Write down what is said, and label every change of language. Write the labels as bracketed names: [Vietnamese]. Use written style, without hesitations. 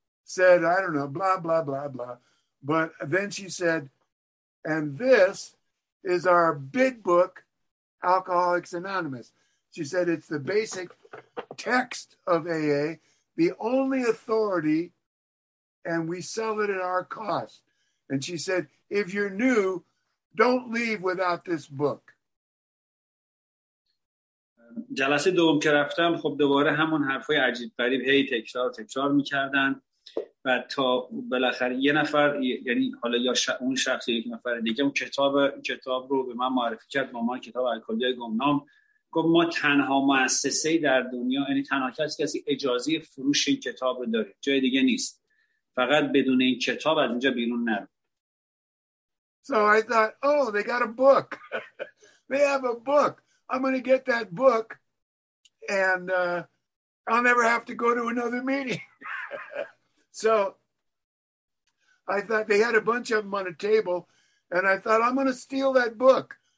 [English] said, I don't know, blah, blah, blah, blah. But then she said, and this is our big book, Alcoholics Anonymous. She said, it's the basic text of AA, the only authority, and we sell it at our cost. And she said, if you're new, don't leave without this book. [Persian] جلسه دوم که رفتم خب دوباره همون حرفای عجیب غریب هی تکرار میکردن و تا بالاخره یه نفر یعنی حالا یا اون شخص یک نفر دیگه اون کتاب رو به من معرفی کرد با من کتاب الکلی گمنام گفت ما تنها مؤسسه‌ای در دنیا یعنی تنها کسی اجازه فروش این کتاب رو داره جای دیگه نیست فقط بدون این کتاب از اینجا بیرون نرو [English] So I thought oh they got a book they have a book I'm going to get that book and I'll never have to go to another meeting. So I thought they had a bunch of them on a table and I thought I'm going to steal that book.